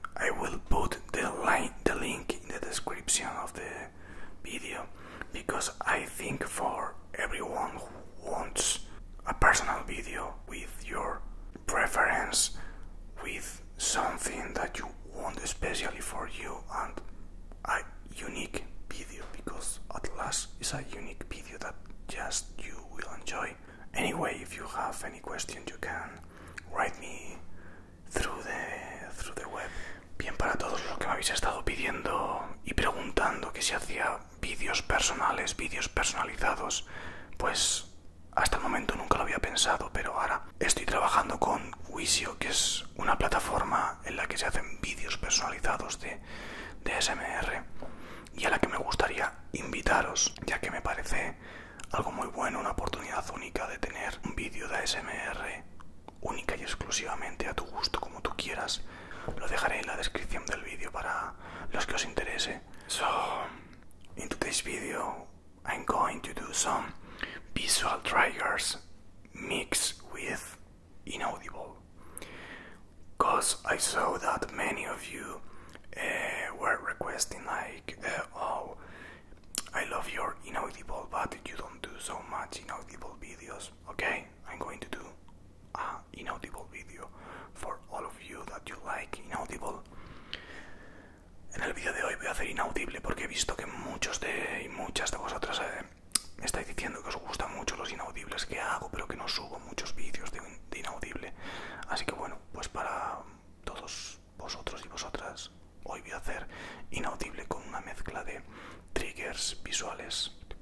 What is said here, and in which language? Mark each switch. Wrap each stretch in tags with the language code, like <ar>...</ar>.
<en>I will put the link in the description of the video, because I think for everyone who wants a personal video with your preference, with something that you want especially for you, and a unique video, because at last it's a unique video that just you will enjoy. Anyway, if you have any questions you can write me through the web.</en> <es>Bien, para todos los que me habéis estado pidiendo y preguntando que si hacía vídeos personales, vídeos personalizados, pues hasta el momento nunca lo había pensado, pero ahora estoy trabajando con Wisio, que es una plataforma en la que se hacen vídeos personalizados de ASMR, y a la que me gustaría invitaros, ya que me parece algo muy bueno, una oportunidad única de tener un vídeo de ASMR única y exclusivamente a tu gusto, como tú quieras. Lo dejaré en la descripción del vídeo para los que os interese.</es> <en>So, in today's video, I'm going to do some visual triggers mixed with inaudible. Because I saw that many of you were requesting like, oh, I love your inaudible, but you don't do so much inaudible videos. Okay, I'm going to do an inaudible video for all of you that you like inaudible.</en> <es>En el video de hoy voy a hacer inaudible porque he visto que muchos de y muchas de vosotras me estáis diciendo que os gustan mucho los inaudibles que hago, pero que no subo muchos vídeos de inaudible. Así que bueno, pues para todos vosotros y vosotras, hoy voy a hacer inaudible con una mezcla de triggers visuales.</es>